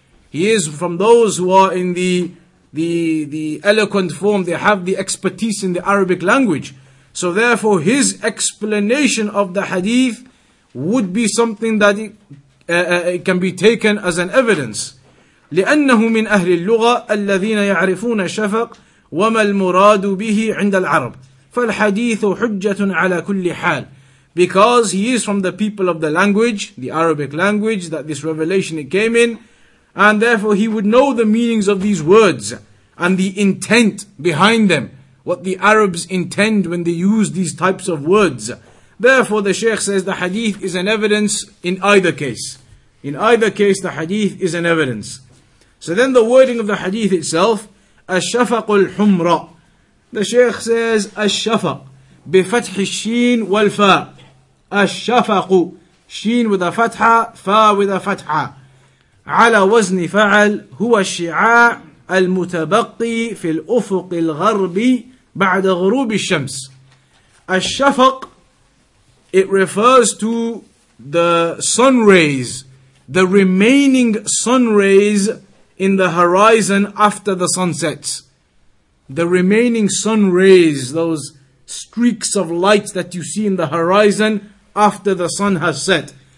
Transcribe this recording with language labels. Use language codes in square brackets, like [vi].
[en] He is from those who are in the eloquent form. They have the expertise in the Arabic language. So therefore, his explanation of the hadith would be something that it can be taken as an evidence. [ar] لأنه من أهل اللغة الذين يعرفون الشفق وما المراد به عند العرب. فالحديث حجة على كل حال. [en] Because he is from the people of the language, the Arabic language that this revelation came in, and therefore he would know the meanings of these words and the intent behind them. What the Arabs intend when they use these types of words. Therefore, the Shaykh says the hadith is an evidence in either case. In either case, the hadith is an evidence. So then the wording of the hadith itself, الشفق الحمراء. The Shaykh says, [ar] الشفق بفتح الشين والفاء. الشفق, شين with a فتحة, فاء with a فتحة. على وزن فعل هو الشعاع المتبقي في الأفق الغربي بعد غروب الشمس. [en] الشفق, it refers to the sun rays, the remaining sun rays in the horizon after the sun sets. The remaining sun rays, those streaks of light that you see in the horizon after the sun has set.